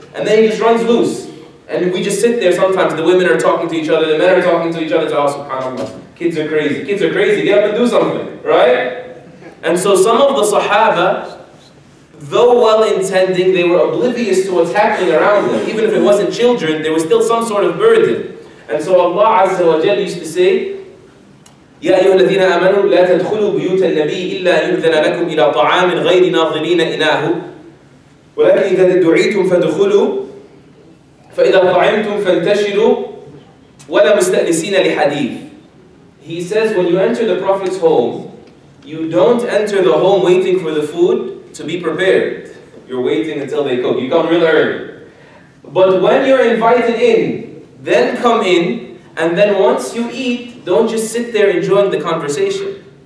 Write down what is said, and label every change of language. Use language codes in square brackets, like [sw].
[en] And then he just runs loose. And we just sit there sometimes, the women are talking to each other, the men are talking to each other, it's, oh, subhanAllah, kids are crazy. Kids are crazy, get up and do something, right? And so some of the Sahaba, though well-intending, they were oblivious to what's happening around them. Even if it wasn't children, there was still some sort of burden. [ar] And so Allah Azza wa Jalla used to say, يا أيها الذين آمنوا لا تدخلوا بيوت النبي إلا يؤذن لكم إلى طعام غير ناظرين إناه ولكن إذا دعيتم فدخلوا فإذا طعمتم فانتشروا ولا مستأنسين لحديث. [en] He says, when you enter the Prophet's home, you don't enter the home waiting for the food to be prepared. You're waiting until they cook. You come real early. But when you're invited in, then come in, and then once you eat, don't just sit there enjoying the conversation.